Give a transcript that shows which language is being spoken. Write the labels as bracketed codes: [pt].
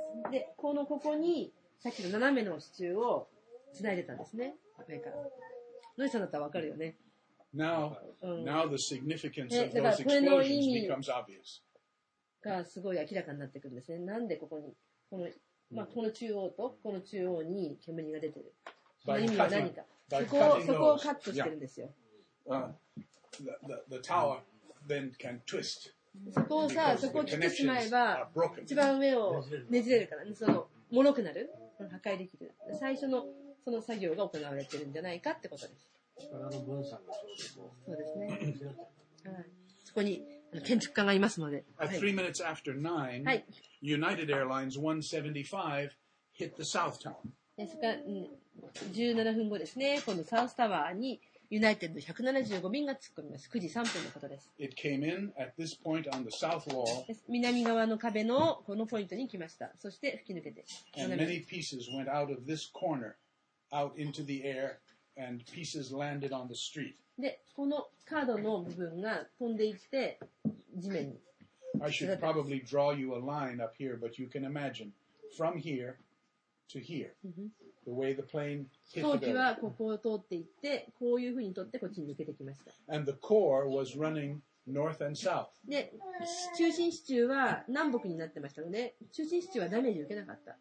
[ja] で、このここにさっきの斜めの支柱を繋いでたんですね。上から。ノイさんだったらわかるよね。 [en] Now the significance of those explosions becomes obvious. [ja] がすごい明らかになってくるんですね。なんでここにこの、まあ、この中央とこの中央に煙が出てる、うん、意味は何か、そこをカットしてるんですよ。 [en] The tower then can twist. [ja] そこをさ、そこを切ってしまえば一番上をねじれるから、ね、その脆くなる、破壊できる、最初のその作業が行われてるんじゃないかってことです。力の分散がそうですね。そこに建築家がいますので。 [en] At 3 minutes after 9, United Airlines 175 hit the South Tower. [ja] ですが、17分後ですね、このサウスタワーにユナイテッド175便が突っ込みます。 9時3分のことです。 [en] It came in at this point on the south wall. [ja] 南側の壁のこのポイントに来ました。そして吹き抜けて。 [en] And many pieces went out of this corner, out into the air. And pieces landed on the street. [ja] で、このカードの部分が飛んでいって地面に。 [en] I should probably draw you a line up here, but you can imagine from here to here, the way the plane hit the building. [ja] 飛行機はここを通っていって、こういうふうに取ってこっちに抜けてきました。 [en] And the core was running north and south. [ja] で、中心支柱は南北になってましたので、中心支柱はダメージ受けなかった。